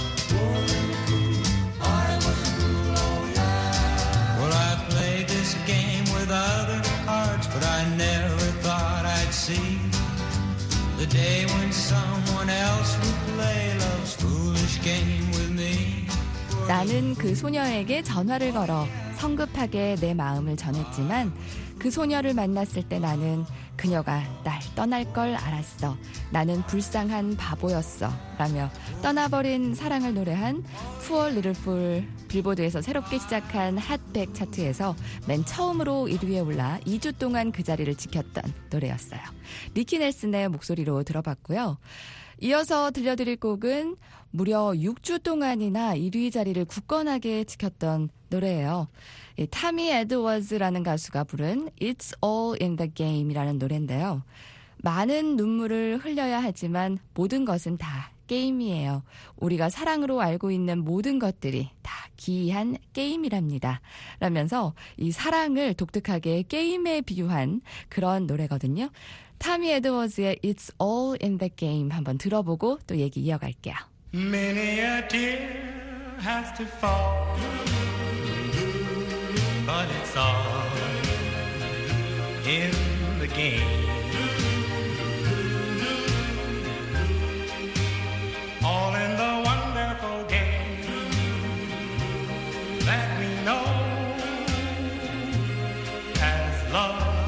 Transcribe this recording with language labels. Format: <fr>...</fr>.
<en>Poor little fool. I was a fool. Oh yeah. Well, I played this game with other hearts, but I never thought I'd see the day when someone else would play love's foolish game with me.</en> <ko>나는 그 소녀에게 전화를 걸어 성급하게 내 마음을 전했지만 그 소녀를 만났을 때 나는 그녀가 날 떠날 걸 알았어. 나는 불쌍한 바보였어. 라며 떠나버린 사랑을 노래한 Poor Little Fool. 빌보드에서 새롭게 시작한 핫100 차트에서 맨 처음으로 1위에 올라 2주 동안 그 자리를 지켰던 노래였어요. 리키 넬슨의 목소리로 들어봤고요. 이어서 들려드릴 곡은 무려 6주 동안이나 1위 자리를 굳건하게 지켰던 노래예요. 이 타미 에드워즈라는 가수가 부른 It's All in the Game이라는 노래인데요. 많은 눈물을 흘려야 하지만 모든 것은 다 게임이에요. 우리가 사랑으로 알고 있는 모든 것들이 다 기이한 게임이랍니다. 라면서 이 사랑을 독특하게 게임에 비유한 그런 노래거든요. 타미 에드워즈의 It's All in the Game 한번 들어보고 또 얘기 이어갈게요.</ko> <en>Many a tear has to fall, but it's all in the game. All in the wonderful game that we know as love.</en>